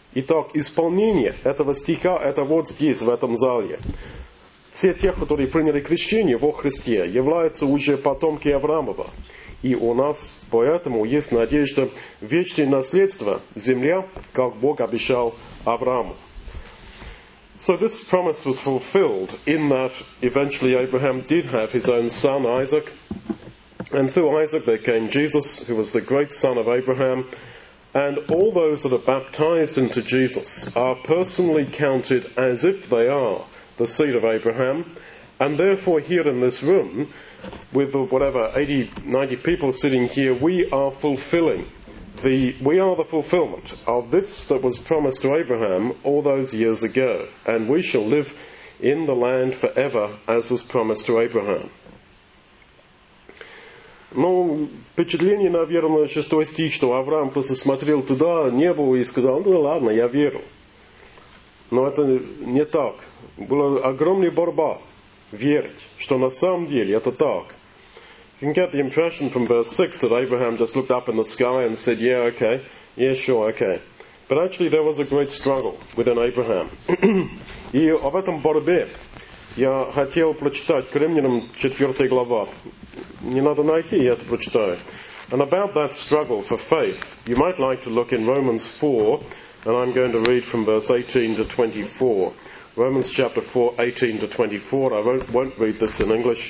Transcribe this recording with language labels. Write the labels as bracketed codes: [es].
[ru] Итак, исполнение этого стиха, это вот здесь, в этом зале. Все те, которые приняли крещение во Христе, являются уже потомки Авраамова. И у нас поэтому есть надежда вечное наследство, земля, как Бог обещал Аврааму. [en] So this promise was fulfilled in that eventually Abraham did have his own son Isaac. And through Isaac there came Jesus, who was the great son of Abraham. And all those that are baptized into Jesus are personally counted as if they are the seed of Abraham. And therefore here in this room, with whatever 80, 90 people sitting here, we are the fulfillment of this that was promised to Abraham all those years ago. And we shall live in the land forever as was promised to Abraham. [ru] Ну, впечатление, наверное, 6 стих, что Авраам просто смотрел туда, небо, и сказал, ну ладно, я верю. Но это не так. Была огромная борьба верить, что на самом деле это так. [en] You can get the impression from verse 6 that Abraham just looked up in the sky and said, yeah, okay, yeah, sure, okay. But actually there was a great struggle within Abraham. [ru] И об этом борьбе я хотел прочитать Римлянам 4 глава. Не надо найти, я это прочитаю. [en] And about that struggle for faith, you might like to look in Romans 4, And I'm going to read from verse 18 to 24. Romans chapter 4, 18 to 24. I won't read this in English.